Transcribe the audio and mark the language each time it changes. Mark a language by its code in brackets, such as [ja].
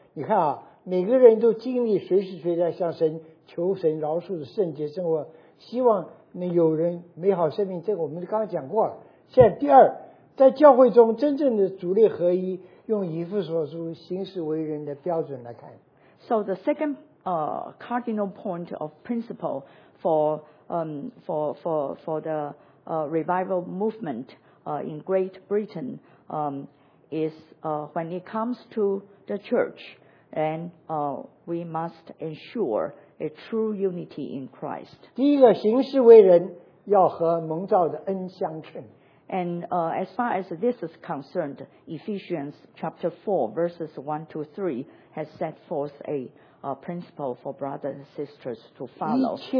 [zh] 你看啊，每个人都经历随时随地向神求神饶恕的圣洁生活，希望能有人美好生命。这个我们刚刚讲过了。现在第二。在教会中真正的主力合一，用以弗所书行事为人的标准来看。 [en] So the second cardinal point of principle for the revival movement in Great Britain is when it comes to the church, and we must ensure a true unity in Christ. [zh] 第一个，行事为人要和蒙召的恩相称。 [en] And as far as this is concerned, Ephesians chapter 4, verses 1 to 3 has set forth a principle for brothers and sisters to follow.